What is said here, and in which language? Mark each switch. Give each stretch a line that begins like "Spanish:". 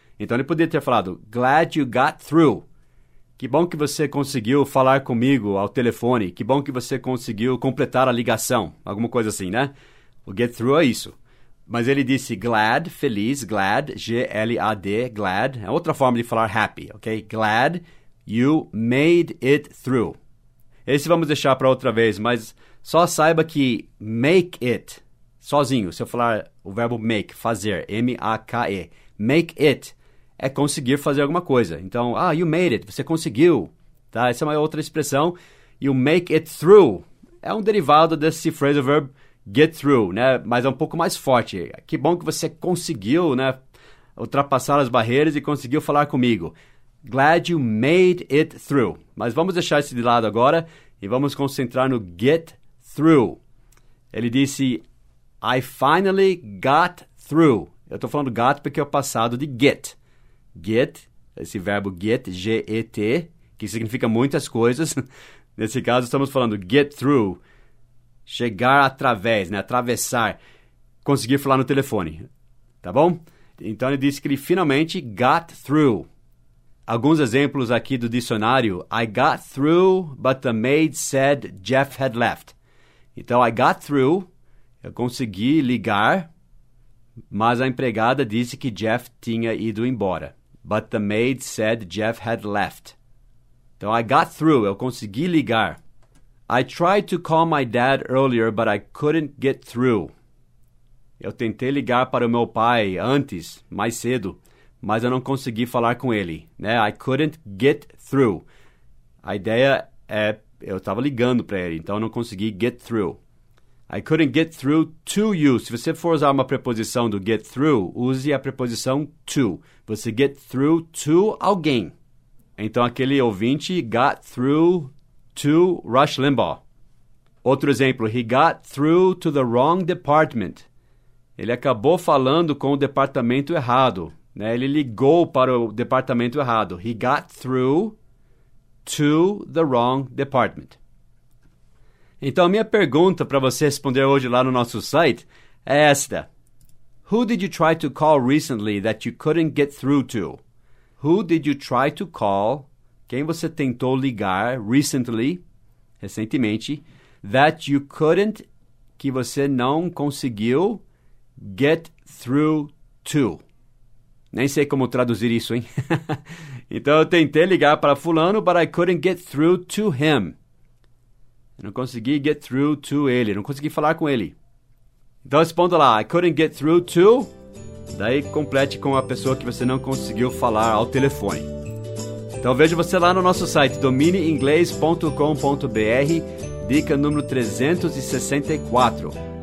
Portuguese: Então ele poderia ter falado,
English: "Glad you got through."
Portuguese: Que bom que você conseguiu falar comigo ao telefone. Que bom que você conseguiu completar a ligação. Alguma coisa assim, né? O get through é isso. Mas ele disse glad, feliz, glad, G-L-A-D, glad. É outra forma de falar happy, ok?
English: Glad you made it through.
Portuguese: Esse vamos deixar para outra vez, mas só saiba que make it, sozinho, se eu falar o verbo make, fazer, M-A-K-E, make it, é conseguir fazer alguma coisa. Então, ah,
English: you made it,
Portuguese: você conseguiu, tá? Essa é uma outra expressão.
English: You make it through
Portuguese: é um derivado desse
English: phrasal verb, get through, né?
Portuguese: Mas é um pouco mais forte. Que bom que você conseguiu, né, ultrapassar as barreiras e conseguiu falar comigo.
English: Glad you made it through.
Portuguese: Mas vamos deixar isso de lado agora e vamos concentrar no get through. Ele disse,
English: "I finally got through."
Portuguese: Eu estou falando got porque é o passado de get. Get, esse verbo get, G-E-T, que significa muitas coisas. Nesse caso, estamos falando get through. Chegar através, né? Atravessar, conseguir falar no telefone, tá bom? Então, ele disse que ele finalmente got through. Alguns exemplos aqui do dicionário,
English: "I got through, but the maid said Jeff had left."
Portuguese: Então, "I got through," eu consegui ligar, mas a empregada disse que Jeff tinha ido embora. "But the maid said Jeff had left." Então, "I got through," eu consegui ligar.
English: "I tried to call my dad earlier, but I couldn't get through."
Portuguese: Eu tentei ligar para o meu pai antes, mais cedo, mas eu não consegui falar com ele, né?
English: I couldn't get through.
Portuguese: A ideia é, eu estava ligando para ele, então eu não consegui get through.
English: I couldn't get through to you.
Portuguese: Se você for usar uma preposição do get through, use a preposição to. Você get through to alguém. Então, aquele ouvinte got through to Rush Limbaugh. Outro exemplo,
English: he got through to the wrong department.
Portuguese: Ele acabou falando com o departamento errado, né? Ele ligou para o departamento errado.
English: He got through to the wrong department.
Portuguese: Então, a minha pergunta para você responder hoje lá no nosso site é esta.
English: Who did you try to call recently that you couldn't get through to? Who did you try to call?
Portuguese: Quem você tentou ligar recently, recentemente,
English: that you couldn't,
Portuguese: que você não conseguiu, get through to? Nem sei como traduzir isso, hein? Então, eu tentei ligar para fulano,
English: but I couldn't get through to him.
Portuguese: Eu não consegui get through to ele, não consegui falar com ele. Então, responda lá,
English: I couldn't get through to...
Portuguese: Daí, complete com a pessoa que você não conseguiu falar ao telefone. Então, vejo você lá no nosso site, domineinglês.com.br, dica número 364.